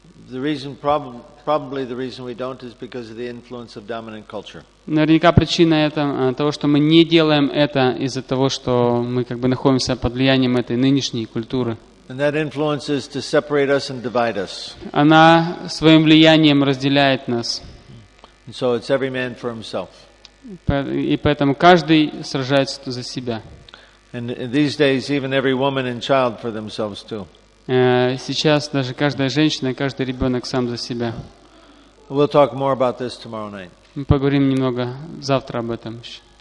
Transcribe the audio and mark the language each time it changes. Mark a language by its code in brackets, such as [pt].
[en] The reason, probably the reason we don't, is because of the influence of dominant culture. [ru] Наверняка причина это того, что мы не делаем это из-за того, что мы как бы находимся под влиянием этой нынешней культуры. [en] And that influence is to separate us and divide us. [ru] Она своим влиянием разделяет нас. [en] And so it's every man for himself. [ru] И поэтому каждый сражается за себя. [en] And these days, even every woman and child for themselves too. [ru] Сейчас даже каждая женщина, каждый ребенок сам за себя. [en] We'll talk more about this tomorrow night. [ru] Мы поговорим немного завтра об этом еще.